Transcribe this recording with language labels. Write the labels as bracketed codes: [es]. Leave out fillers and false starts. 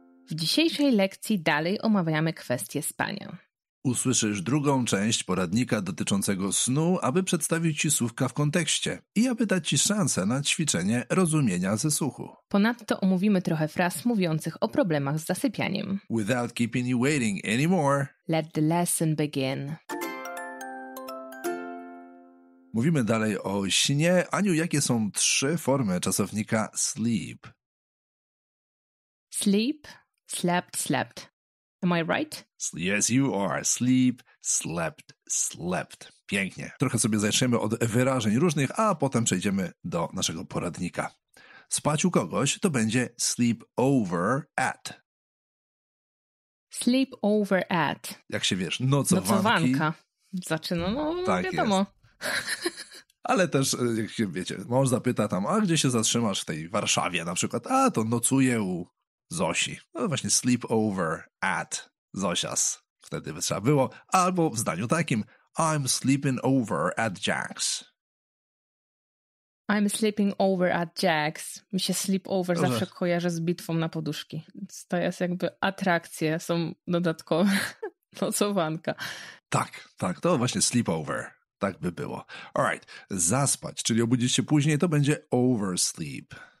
[pl] W dzisiejszej lekcji dalej omawiamy kwestię spania. Usłyszysz drugą część poradnika dotyczącego snu, aby przedstawić Ci słówka w kontekście i aby dać Ci szansę na ćwiczenie rozumienia ze słuchu. Ponadto omówimy trochę fraz mówiących o problemach z zasypianiem. [en] Without keeping you waiting anymore, let the lesson begin. [pl] Mówimy dalej o śnie. Aniu, jakie są trzy formy czasownika sleep? [en] Sleep, slept, slept. Am I right? Yes, you are. Sleep, slept, slept. Pięknie. [pl] Trochę sobie zaczniemy od wyrażeń różnych, a potem przejdziemy do naszego poradnika. Spać u kogoś to będzie [en] sleep over at. Sleep over at. [pl] Jak się wiesz, nocowanki. Zaczyna, wiadomo. Ale też, jak się wiecie, mąż zapyta tam, a gdzie się zatrzymasz w tej Warszawie na przykład? A, to nocuję u Zosi. No właśnie, [en] sleep over at Zosias. [pl] Wtedy by trzeba było. Albo w zdaniu takim, [en] I'm sleeping over at Jack's. I'm sleeping over at Jack's. [pl] Mi się [en] sleep over [pl] zawsze kojarzy z bitwą na poduszki. To jest jakby atrakcje, są dodatkowe. Nocowanka. Tak, to właśnie sleep over. Tak by było. [en] All right, [pl] zaspać, czyli obudzić się później, to będzie oversleep.